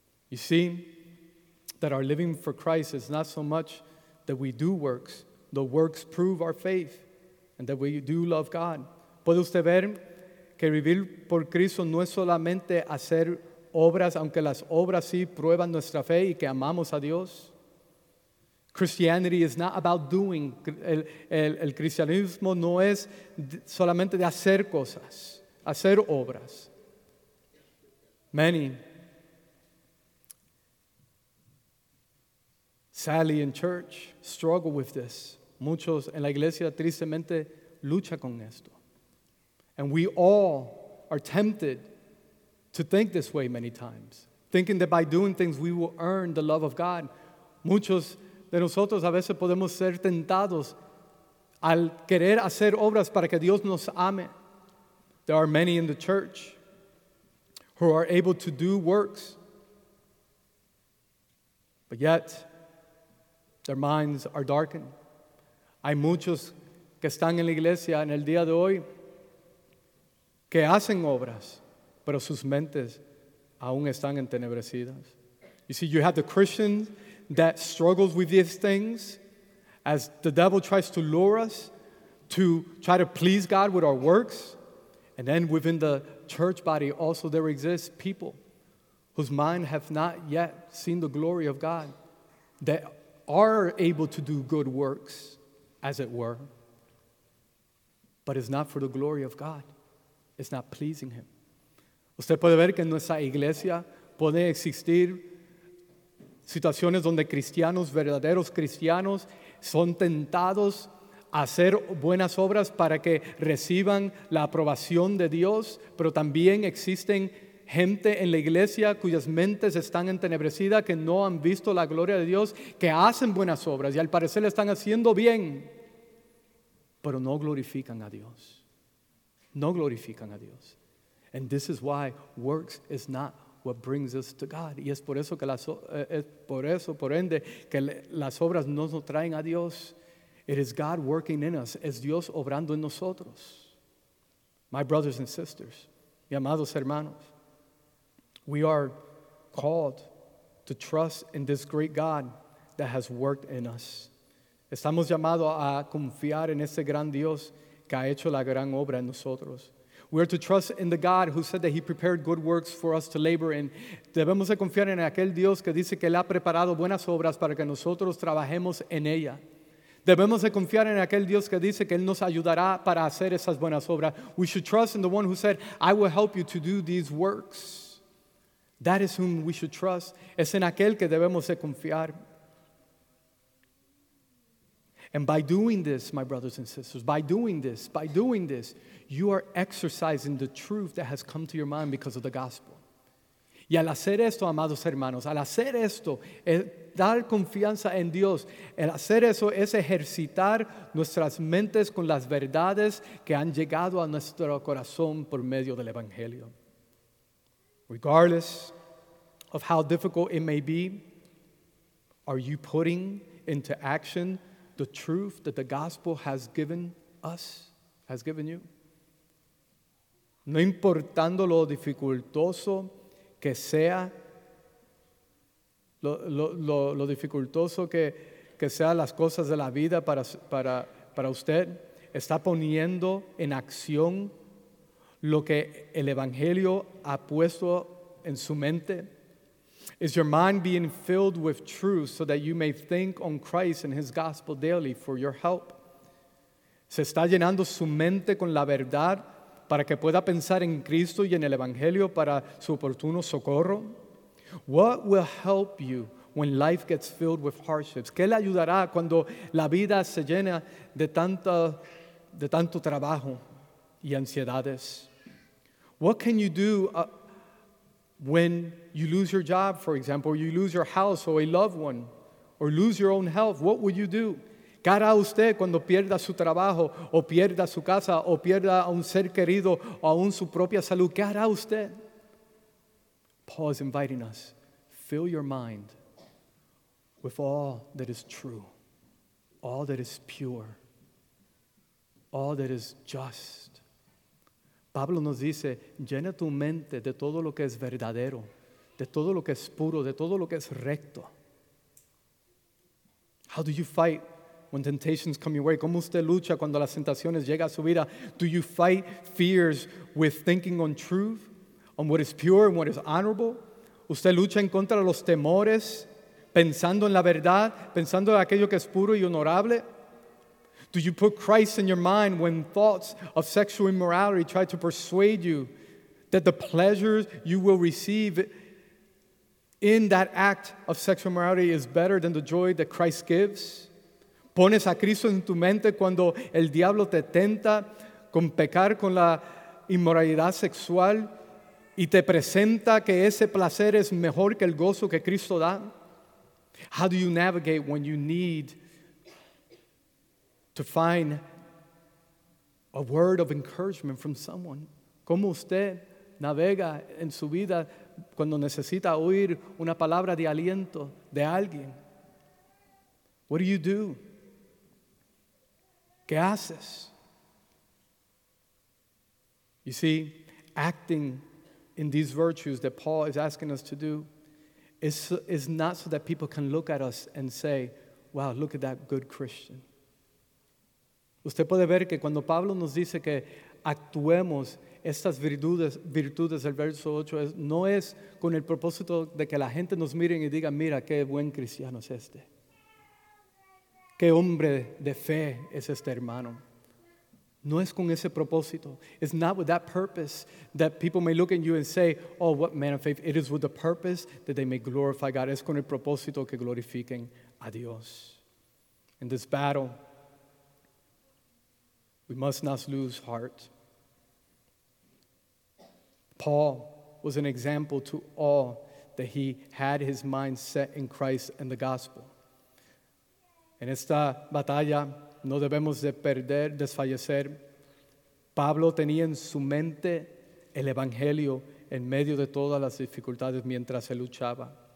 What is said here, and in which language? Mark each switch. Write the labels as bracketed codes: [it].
[en] You see, that our living for Christ is not so much that we do works. The works prove our faith and that we do love God. [es] ¿Puede usted ver que vivir por Cristo no es solamente hacer obras, aunque las obras sí prueban nuestra fe y que amamos a Dios? [en] Christianity is not about doing. [es] El cristianismo no es solamente de hacer cosas, hacer obras. [en] Many, sadly in church, struggle with this. [es] Muchos en la iglesia tristemente lucha con esto. [en] And we all are tempted to think this way many times, thinking that by doing things we will earn the love of God. [es] Muchos de nosotros a veces podemos ser tentados al querer hacer obras para que Dios nos ame. [en] There are many in the church who are able to do works, but yet their minds are darkened. [es] Hay muchos que están en la iglesia en el día de hoy que hacen obras, pero sus mentes aún están entenebrecidas. [en] You see, you have the Christians that struggles with these things as the devil tries to lure us to try to please God with our works. And then within the church body also there exists people whose mind have not yet seen the glory of God, that are able to do good works, as it were, but it's not for the glory of God. It's not pleasing him. [es] Usted puede ver que en nuestra iglesia puede existir situaciones donde cristianos, verdaderos cristianos, son tentados a hacer buenas obras para que reciban la aprobación de Dios, pero también existen gente en la iglesia cuyas mentes están entenebrecidas, que no han visto la gloria de Dios, que hacen buenas obras y al parecer le están haciendo bien, pero no glorifican a Dios. No glorifican a Dios. [en] And this is why works is not what brings us to God. [es] Y es por eso que las, es por eso, por ende, que las obras no nos traen a Dios. [en] It is God working in us. [es] Es Dios obrando en nosotros. [en] My brothers and sisters, [es] mi amados hermanos, [en] we are called to trust in this great God that has worked in us. [es] Estamos llamados a confiar en ese gran Dios que ha hecho la gran obra en nosotros. [en] We are to trust in the God who said that he prepared good works for us to labor in. [es] Debemos de confiar en aquel Dios que dice que le ha preparado buenas obras para que nosotros trabajemos en ella. Debemos de confiar en aquel Dios que dice que él nos ayudará para hacer esas buenas obras. [en] We should trust in the one who said, I will help you to do these works. That is whom we should trust. [es] Es en aquel que debemos de confiar. [en] And by doing this, my brothers and sisters, by doing this, you are exercising the truth that has come to your mind because of the gospel. [es] Y al hacer esto, amados hermanos, al hacer esto, dar confianza en Dios, el hacer eso es ejercitar nuestras mentes con las verdades que han llegado a nuestro corazón por medio del evangelio. [en] Regardless of how difficult it may be, are you putting into action the truth that the gospel has given us, has given you? [es] No importando lo dificultoso que sea, lo dificultoso que sea las cosas de la vida para usted, está poniendo en acción lo que el evangelio ha puesto en su mente. [en] Is your mind being filled with truth so that you may think on Christ and his gospel daily for your help? [es] ¿Se está llenando su mente con la verdad para que pueda pensar en Cristo y en el evangelio para su oportuno socorro? [en] What will help you when life gets filled with hardships? [es] ¿Qué le ayudará cuando la vida se llena de tanto trabajo y ansiedades? [en] What can you do when you lose your job, for example, or you lose your house or a loved one, or lose your own health? What would you do? [es] Cara a usted cuando pierda su trabajo, o pierda su casa, o pierda a un ser querido, o aún su propia salud. ¿Qué hará usted? [en] Paul is inviting us, fill your mind with all that is true, all that is pure, all that is just. [es] Pablo nos dice, llena tu mente de todo lo que es verdadero, de todo lo que es puro, de todo lo que es recto. [en] How do you fight when temptations come your way? [es] ¿Cómo usted lucha cuando las tentaciones llegan a su vida? [en] Do you fight fears with thinking on truth, on what is pure and what is honorable? [es] ¿Usted lucha en contra de los temores pensando en la verdad, pensando en aquello que es puro y honorable? [en] Do you put Christ in your mind when thoughts of sexual immorality try to persuade you that the pleasures you will receive in that act of sexual immorality is better than the joy that Christ gives? [es] ¿Pones a Cristo en tu mente cuando el diablo te tenta con pecar con la inmoralidad sexual y te presenta que ese placer es mejor que el gozo que Cristo da? [en] How do you navigate when you need to find a word of encouragement from someone? [es] ¿Cómo usted navega en su vida cuando necesita oír una palabra de aliento de alguien? [en] What do you do? [es] ¿Qué haces? [en] You see, acting in these virtues that Paul is asking us to do is not so that people can look at us and say, wow, look at that good Christian. [es] Usted puede ver que cuando Pablo nos dice que actuemos estas virtudes del verso 8, no es con el propósito de que la gente nos mire y diga, mira qué buen cristiano es este. ¿Qué hombre de fe es este hermano? No es con ese propósito. [en] It's not with that purpose that people may look at you and say, oh, what man of faith. It is with the purpose that they may glorify God. [es] Es con el propósito que glorifiquen a Dios. [en] In this battle, we must not lose heart. Paul was an example to all that he had his mind set in Christ and the gospel. [es] En esta batalla no debemos de perder, desfallecer. Pablo tenía en su mente el evangelio en medio de todas las dificultades mientras se luchaba.